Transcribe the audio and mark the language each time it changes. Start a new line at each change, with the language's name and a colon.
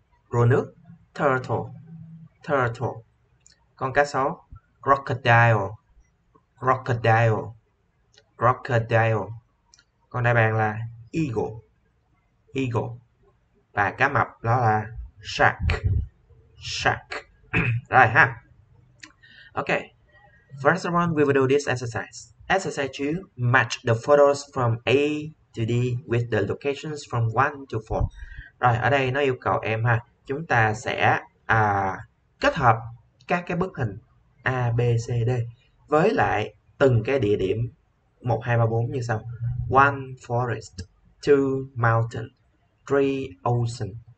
Vietnamese: Rùa nước, turtle, turtle. Con cá sấu, crocodile, crocodile, crocodile. Con đại bàng là eagle, eagle. Và cá mập đó là shark, shark. Rồi ha.
English: Ok, first of all we will do this exercise. Exercise you match the photos from A to D with the locations from 1 to 4.
Vietnamese: Rồi, ở đây nó yêu cầu em ha, chúng ta sẽ kết hợp các cái bức hình A, B, C, D với lại từng cái địa điểm 1, 2, 3, 4 như sau.
English: 1, forest. 2, mountain. 3, ocean.